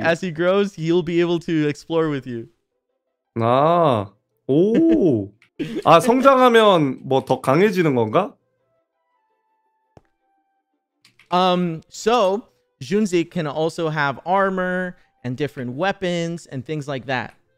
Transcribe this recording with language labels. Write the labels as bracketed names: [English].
[English] As he grows, he'll be able to explore with you. 아, 오. [Korean] 아, 성장하면 뭐 더 강해지는 건가? [English] So Junsik can also have armor and different weapons and things like that.